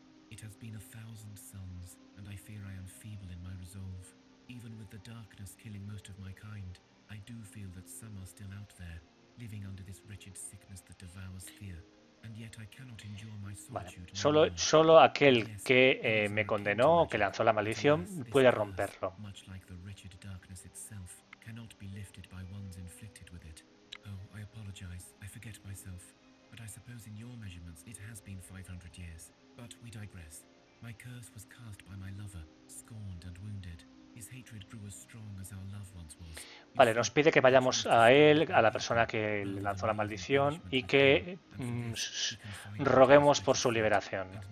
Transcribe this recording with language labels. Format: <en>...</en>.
<en>It has been a thousand suns, and I fear I am feeble in my resolve. Even with the darkness killing most of my kind, I do feel that some are still out there, living under this wretched sickness that devours fear. And yet I cannot endure my solitude.</en> <es>Vale. Solo aquel que me condenó o que lanzó la maldición puede romperlo.</es> <en>Much like the wretched darkness itself, cannot be lifted by ones inflicted with it. Oh, I apologize. I forget myself. But I suppose in your measurements it has been 500 years. But we digress. My curse was cast by my lover, scorned and wounded. His hatred grew as strong as our love once was.</en> <es>Vale, nos pide que vayamos a él, a la persona que le lanzó la maldición, y que roguemos por su liberación.</es>